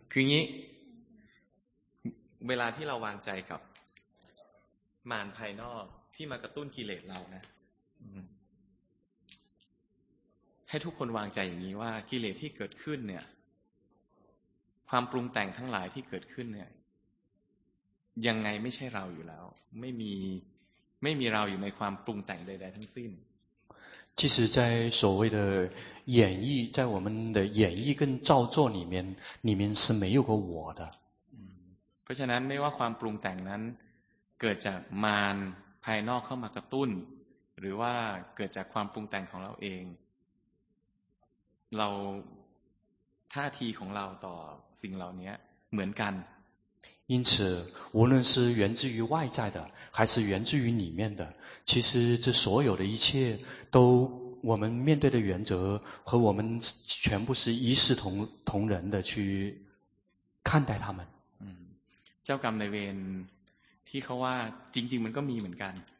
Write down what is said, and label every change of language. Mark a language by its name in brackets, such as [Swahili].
[Thai] คืออย่างนี้เวลาที่เราวางใจกับมันภายนอกที่มากระตุ้นกิเลสเรานะให้ทุกคนวางใจอย่างนี้ว่ากิเลสที่เกิดขึ้นเนี่ยความปรุงแต่งทั้งหลายที่เกิดขึ้นเนี่ยยังไงไม่ใช่เราอยู่แล้วไม่มีเราอยู่ในความปรุงแต่งใดๆทั้งสิ้น [Chinese] 其实在所谓的演绎在我们的演绎跟造作里面是没有个我的 [Thai] เพราะฉะนั้นไม่ว่าความปรุงแต่งนั้นเกิดจากมารภายนอกเข้ามากระตุ้นหรือว่าเกิดจากความปรุงแต่งของเราเองเราท่าทีของเราต่อสิ่งเหล่านี้เหมือนกัน [Chinese] 因此无论是源自于外在的还是源自于里面的其实这所有的一切都我们面对的原则和我们全部是一视同仁的去看待他们 [Thai] เจ้ากรรมนายเวรที่เขาว่าจริงๆมันก็มีเหมือนกัน